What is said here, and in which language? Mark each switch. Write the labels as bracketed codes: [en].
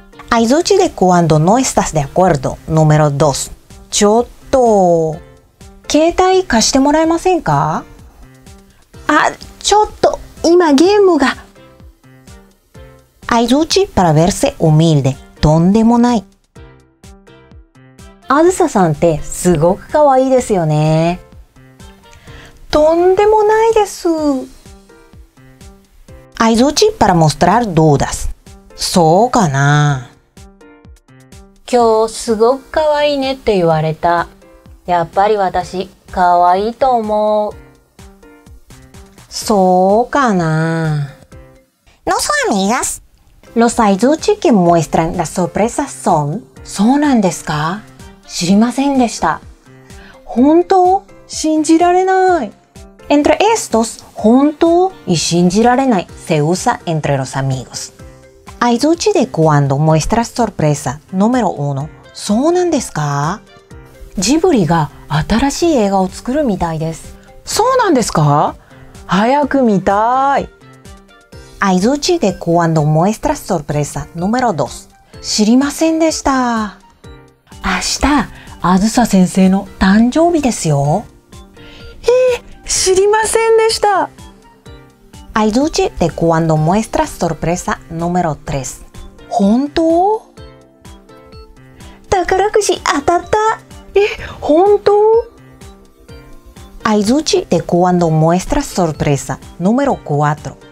[es] Aizuchi de cuando no estás de acuerdo, número 2. [ja] ちょっと、携帯貸してもらえませんか? あ、ちょっと、今ゲームが。 [es] Aizuchi para verse humilde, [ja] とんでもない。あずささんってすごくかわいいですよね。とんでもないです。 [es] Aizuchi para mostrar dudas. [ja] そうかな。今日すごくかわいいねって言われた。やっぱり私、かわいいと思う。そうかな。 [es] No son amigas. Los Aizuchi que muestran las sorpresas son. [ja] そうなんですか?知りませんでした。本当?信じられない。 [es] Entre estos, [ja] 本当? [es] y [ja] 信じられない [es] se usa entre los amigos. Aizuchi de cuando muestra sorpresa, número 1. [ja] そうなんですか? ジブリが新しい映画を作るみたいです。そうなんですか?早く見たい。 [es] Aizuchi de cuando muestra sorpresa número 2. [ja] 知りませんでした。明日、あずさ先生の誕生日ですよ。知りませんでした。 [es] Aizuchi de cuando muestra sorpresa número 3. [ja] 本当?宝くじ当たった。本当? [es] Aizuchi de cuando muestra sorpresa número 4.